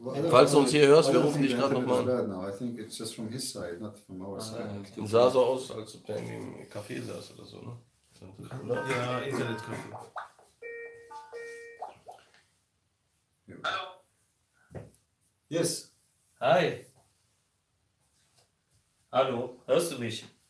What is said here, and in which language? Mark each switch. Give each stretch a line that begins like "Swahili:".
German: Falls du uns hier hörst, wir rufen dich gerade nochmal an.
English: I think it's just from his side, not from our side.
German: Es sah so aus, als ob der im Café saß oder so, ne? Ja, Internet-Café. Hallo? Yes.
English: Hi.
German: Hallo, hörst du mich?